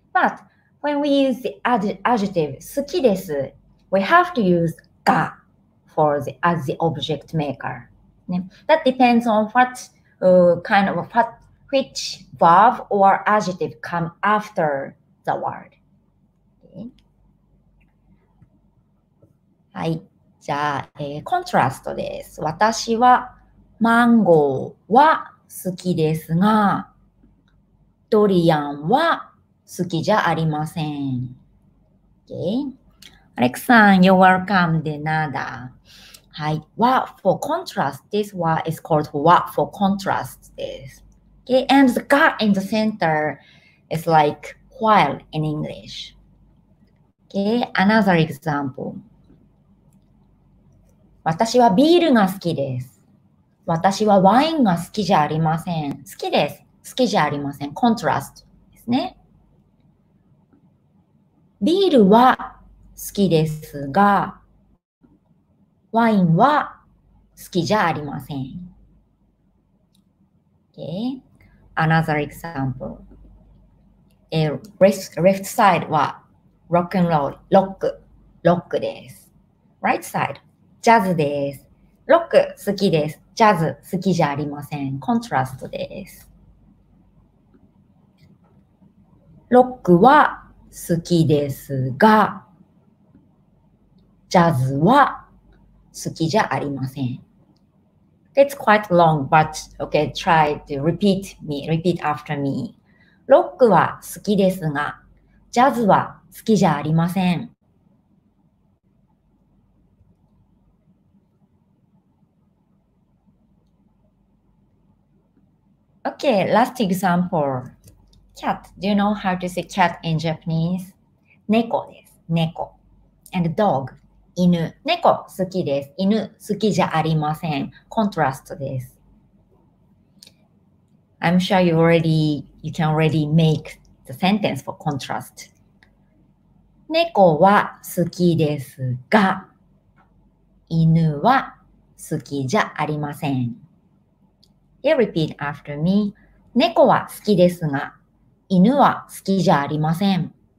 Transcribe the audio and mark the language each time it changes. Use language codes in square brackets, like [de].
[en] But,When we use the adjective 好きです, we have to use が for the, as the object maker.、ね、that depends on what、kind of, what, which verb or adjective come after the word.、Okay. [ja] はい。じゃあ、コントラストです。私はマンゴーは好きですが、ドリアンは好きじゃありません。 [en] Okay. Alex さん、you're welcome, [es] de nada. [ja] はい。 [en] わ for contrast. This わ is called わ for contrast です。Okay. And the が in the center is like while in English. Okay. Another example. [ja] 私はビールが好きです。私はワインが好きじゃありません。好きです。好きじゃありません。Contrast ですね。ビールは好きですが、ワインは好きじゃありません。 [en] Okay. Another example. Left side は rock and roll, [ja] ロックです。 [en] Right side, [ja] ジャズです。ロック好きです。ジャズ好きじゃありません。コントラストです。ロックは好きですが、ジャズは好きじゃありません。 [en] That's quite long, but okay, try to repeat after me. [ja] ロックは好きですが、ジャズは好きじゃありません。 [en] Okay, last example. Cat. Do you know how to say cat in Japanese? [ja] 猫です。猫。 [en] And dog. [ja] 犬。猫好きです。犬好きじゃありません。 Contrast です。 [en] I'm sure you can already make the sentence for contrast. [ja] 猫は好きですが、犬は好きじゃありません。 [en] You repeat after me. [ja] 猫は好きですが、犬は好きじゃありません。